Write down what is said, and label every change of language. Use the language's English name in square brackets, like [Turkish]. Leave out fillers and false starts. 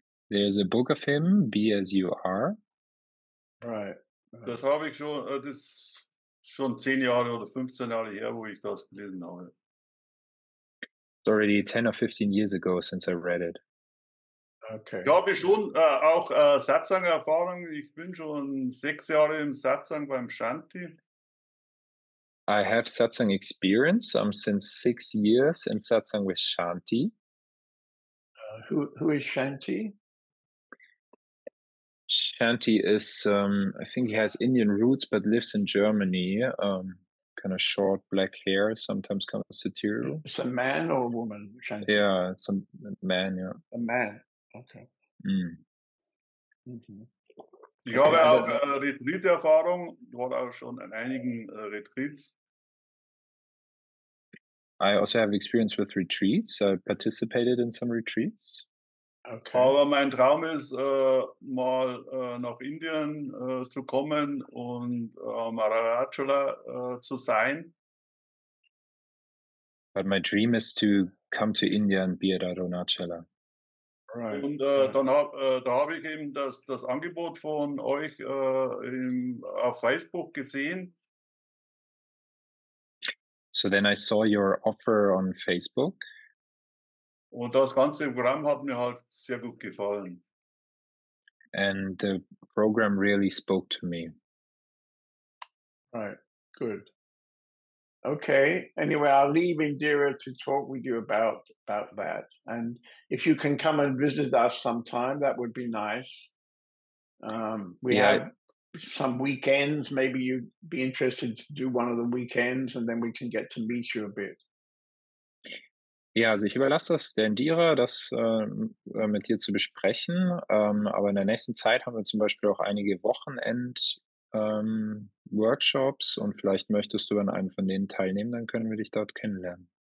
[English] There's a book of him, Be as you are. Right. [German] Das habe ich schon, das ist schon 10 Jahre oder 15 Jahre her, wo ich das gelesen habe. [English] It's already 10 or 15 years ago since I read it. Okay. [German] Ich habe schon auch Satsang-Erfahrung. Ich bin schon 6 Jahre im Satsang beim Shanti. [English] I have Satsang experience. I'm since 6 years in Satsang with Shanti. Who is Shanti? Shanti is, I think he has Indian roots, but lives in Germany. Kind of short black hair, sometimes kind of satirical. It's a man or a woman? Shanti? Yeah, it's a man, yeah. A man, okay. Mm. Mm-hmm. [German] Ich habe auch Retreat-Erfahrung, war auch schon in einigen Retreats. [English] I also have experience with retreats. I participated in some retreats. Okay. [German] Aber mein Traum ist, mal nach Indien zu kommen und Maharajala zu sein. [English] But my dream is to come to India and be at Arunachala. Right. [German] Und da habe ich eben das Angebot von euch auf Facebook gesehen. [English] So then I saw your offer on Facebook. [German] Und das ganze Programm hat mir halt sehr gut gefallen. [English] And the program really spoke to me. Right, good. Okay, anyway, I'll leave Indira to talk with you about that. And if you can come and visit us sometime, that would be nice. We have some weekends. Maybe you'd be interested to do one of the weekends and then we can get to meet you a bit. [German] Ja, also ich überlasse das der Indira, das mit dir zu besprechen. Aber in der nächsten Zeit haben wir zum Beispiel auch einige Wochenend-Workshops und vielleicht möchtest du an einem von denen teilnehmen, dann können wir dich dort kennenlernen.